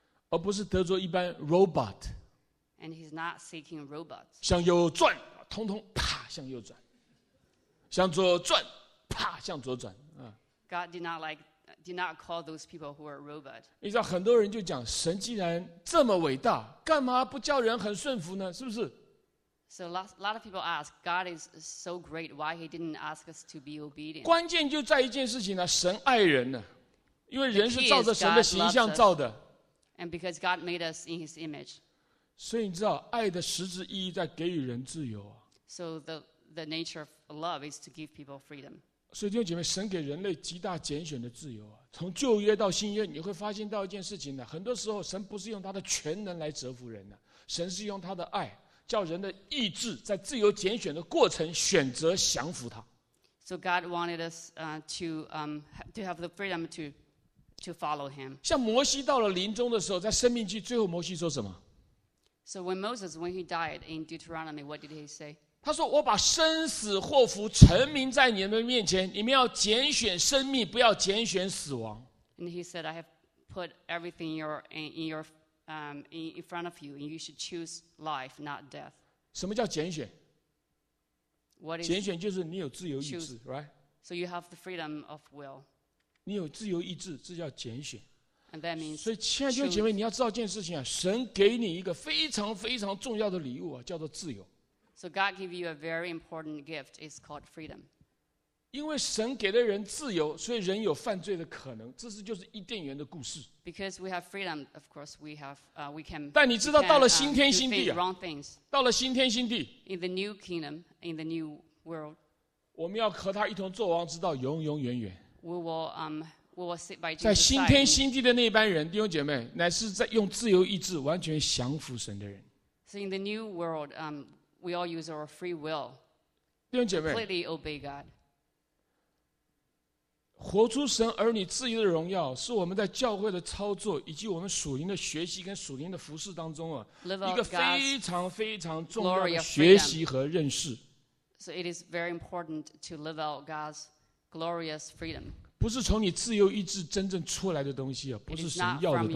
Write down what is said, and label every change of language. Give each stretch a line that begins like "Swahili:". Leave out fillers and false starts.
Chinese: 而不是得着一般 robot.
English: And he's not seeking robots.
Chinese: 向右转，通通啪向右转。向左转，啪向左转。
English: God did not call those people who are robot.
Chinese: 你知道很多人就讲，神既然这么伟大，干嘛不叫人很顺服呢？是不是？
English: So a lot of people ask, God is so great, why he didn't ask us to be obedient?
Chinese: 关键就在一件事情呢，神爱人呢，因为人是照着神的形象造的。
English: And because God made us in his image.
Chinese: 所以你知道，爱的实质意义在给予人自由啊。
English: So the nature of love is to give people freedom.
Chinese: 所以弟兄姐妹，神给人类极大拣选的自由啊，从旧约到新约，你会发现到一件事情呢，很多时候神不是用他的全能来折服人的，神是用他的爱。叫人的意志在自由拣选的过程选择降服他。
English: So God wanted us to have the freedom to follow him.
Chinese: 像摩西到了临终的时候，在生命记最后摩西说什么
English: So when Moses, when he died in Deuteronomy, what did he say?
Chinese: 他说我把生死祸福陈明在你们面前，你们要拣选生命，不要拣选死亡。
English: And he said, I have put everything in front of you, and you should choose life, not death.
Chinese: 什么叫拣选？
English: What is
Chinese: 拣选就是你有自由意志， right?
English: So you have the freedom of will.
Chinese: 你有自由意志，这叫拣选。
English: And that means
Chinese: 所以亲爱的弟兄姐妹，你要知道一件事情啊，神给你一个非常非常重要的礼物啊，叫做自由。
English: So God gave you a very important gift. It's called freedom.
Chinese: 因为神给了人自由，所以人有犯罪的可能。这是就是伊甸园的故事。
English: Because we have freedom, of course, we have, we can.
Chinese: 但你知道到了新天新地啊，
English: wrong things.
Chinese: 到了新天新地。
English: In the new kingdom, in the new world.
Chinese: 我们要和他一同作王，直到永永远远。
English: We will sit by Jesus.
Chinese: 在新天新地的那班人，弟兄姐妹，乃是在用自由意志完全降服神的人。
English: So in the new world, We all use our free will.
Chinese: 弟兄姐妹，
English: completely obey God.
Chinese: 活出神儿女自由的荣耀，是我们在教会的操作，以及我们属灵的学习跟属灵的服事当中啊，一个非常非常重要的学习和认识。
English: So it is very important to live out God's glorious freedom.
Chinese: 不是从你自由意志真正出来的东西啊，不是神要的东西。